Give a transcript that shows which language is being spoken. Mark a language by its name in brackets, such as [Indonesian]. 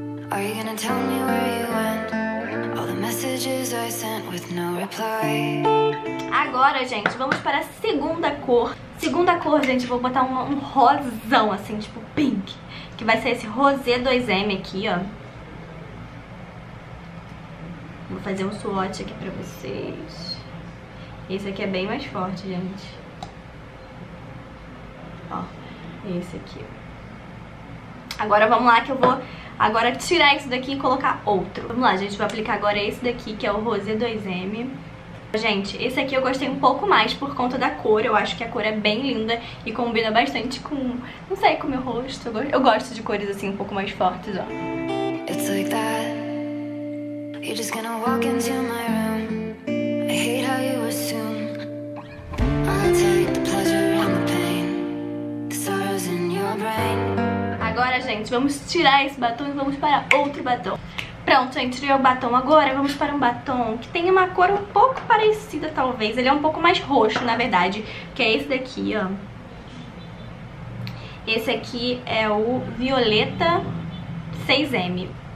[English] Are you gonna tell me where you went? All the messages I sent with no reply. [Portuguese] Agora, gente, vamos para a segunda cor. Segunda cor, gente, vou botar um rosão, assim, tipo pink. Que vai ser esse rosé 2M aqui, ó. Vou fazer um swatch aqui pra vocês. Esse aqui é bem mais forte, gente. Ó, esse aqui. Agora vamos lá que eu vou. Agora tirar isso daqui e colocar outro. Vamos lá, gente, vou aplicar agora esse daqui, que é o Rosé 2M. Gente, esse aqui eu gostei um pouco mais por conta da cor. Eu acho que a cor é bem linda e combina bastante com, não sei, com o meu rosto. Eu gosto de cores assim um pouco mais fortes, ó. [English] It's like that. You're just gonna walk into my room. I hate how you assume. I'll take the pleasure and the pain. The sorrows in your brain. [Portuguese] Agora, gente, vamos tirar esse batom e vamos para outro batom. Pronto, gente, tirei o batom. Agora vamos para um batom que tem uma cor um pouco parecida, talvez. Ele é um pouco mais roxo, na verdade, que é esse daqui, ó. Esse aqui é o Violeta 6M.